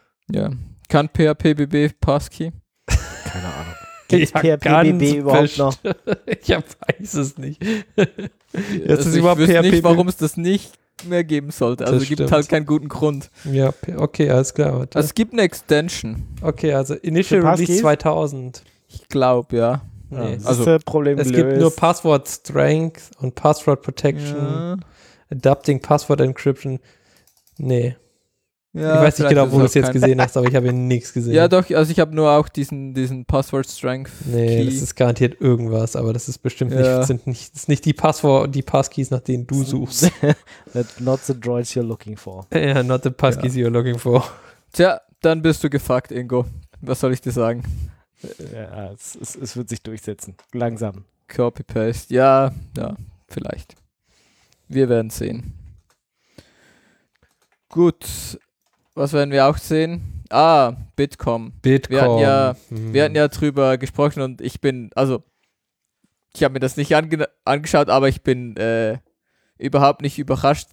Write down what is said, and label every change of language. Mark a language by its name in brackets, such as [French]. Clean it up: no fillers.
[German] Ja, kann PHP-BB Passkey? Keine Ahnung. Gibt es PHP-BB überhaupt noch? Ich weiß es nicht. Jetzt ist überhaupt PHP-BB. Ich weiß nicht, warum es das nicht mehr geben sollte. Also es gibt halt keinen guten Grund. Ja, okay, alles klar. Warte. Also es gibt eine Extension. Okay, also Initial Release 2000. Ich glaube, ja. Nee. Also, das ist das Problem gelöst. Es gibt nur Password Strength und Password Protection. Ja. Adapting Password Encryption. Nee. Ja, ich weiß nicht genau, wo du es jetzt gesehen hast, aber ich habe ihn nichts gesehen. Ja, doch, also ich habe nur auch diesen Password Strength. Nee, das ist garantiert irgendwas, aber das ist bestimmt ja. sind nicht die Passkeys, nach denen du suchst. [English] Not the droids you're looking for. Ja, not the Passkeys you're looking for. [German] Tja, dann bist du gefuckt, Ingo. Was soll ich dir sagen? Ja, es wird sich durchsetzen. Langsam. Copy-Paste. Ja, vielleicht. Wir werden sehen. Gut. Was werden wir auch sehen? Ah, Bitkom. Wir hatten ja drüber gesprochen und ich habe mir das nicht angeschaut, aber ich bin überhaupt nicht überrascht.